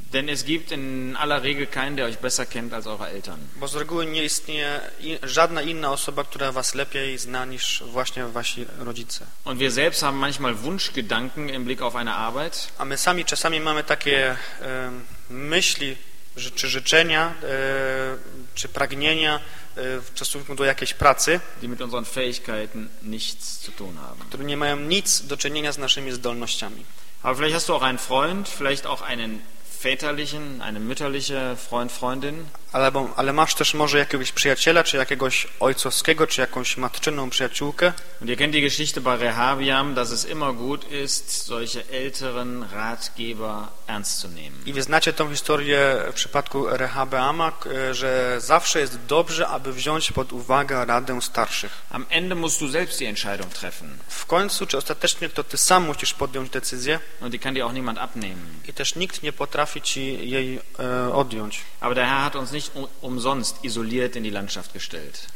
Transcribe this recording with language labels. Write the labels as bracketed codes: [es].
[de] Denn es gibt in aller Regel keinen, der euch besser kennt als eure Eltern. [pl] Bo z reguły nie istnieje żadna inna osoba, która was lepiej zna niż właśnie wasi rodzice. [de] Und wir selbst haben manchmal Wunschgedanken im Blick auf eine Arbeit. [pl] A my sami czasami mamy takie myśli, czy życzenia, czy pragnienia w stosunku do jakiejś pracy, [de] die mit unseren Fähigkeiten nichts zu tun haben. [pl] Które nie mają nic do czynienia z naszymi zdolnościami. [de] Aber vielleicht hast du auch einen Freund, vielleicht auch einen väterlichen, eine mütterliche Freund, Freundin. [pl] Ale masz też może jakiegoś przyjaciela, czy jakiegoś ojcowskiego, czy jakąś matczyną przyjaciółkę. [de] Und ihr kennt die Geschichte bei Rehabiam, dass es immer gut ist, solche älteren Ratgeber ernst zu nehmen. [pl] I wy znacie tą historię w przypadku Rehabeama, że zawsze jest dobrze, aby wziąć pod uwagę radę starszych. [de] Am Ende musst du selbst die Entscheidung treffen. [pl] W końcu, czy ostatecznie, to ty sam musisz podjąć decyzję. [de] Und die kann dir auch niemand abnehmen. [pl] I też nikt nie potrafi ci jej odjąć. [de] Aber der Herr hat uns nicht umsonst isoliert in die Landschaft gestellt.